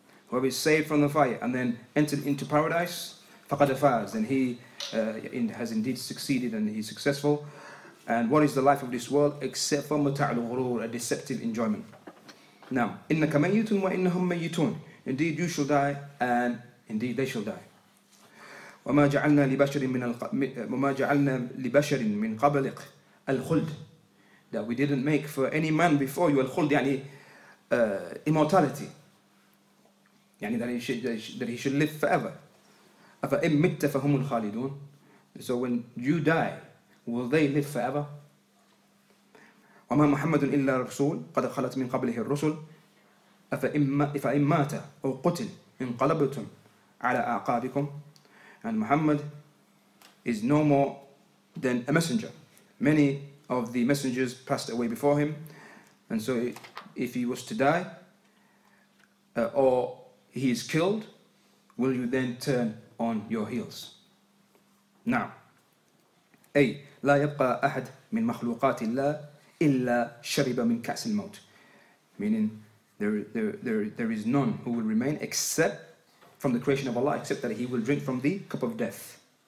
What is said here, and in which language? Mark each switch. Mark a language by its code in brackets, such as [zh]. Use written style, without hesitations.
[en] Whoever is saved from the fire and then entered into paradise, [ar] فَقَدَ فَازَ, [en] then he has indeed succeeded and he's successful. And what is the life of this world except for [ar] مُتَعْ الْغُرُورِ, [en] a deceptive enjoyment. Now, [ar] إِنَّكَ مَيِّتٌ وَإِنَّهُمْ مَيِّتُونَ, [en] indeed you shall die and indeed they shall die. [ar] وَمَا جَعَلْنَا لِبَشَرٍ مِنَ وَمَا جَعَلْنَا لِبَشَرٍ مِنْ قَبْلِكَ الْخُلْدِ, [en] that we didn't make for any man before you [ar] الْخُلْدِ, يعني immortality. [en] يعني that he should live forever. [ar] أَفَإِن مِتَّ فَهُمُ الْخَالِدُونَ, [en] so when you die, will they live forever? [ar] وَمَا مُحَمَّدٌ إِلَّا رَسُولٌ قَدْ خَلَتْ مِنْ قَبْلِهِ الرُّسُلُ أَفَإِن مَاتَ أَوْ قُتِلَ انْقَلَبْتُمْ عَلَى أَعْقَابِكُمْ, [en] and Muhammad is no more than a messenger. Many of the messengers passed away before him, and so if he was to die, or he is killed, will you then turn on your heels? Now, [ar] أي لا يبقى أحد من مخلوقات الله إلا شرب من كأس الموت, [en] meaning there is none who will remain except from the creation of Allah, except that he will drink from the cup of death.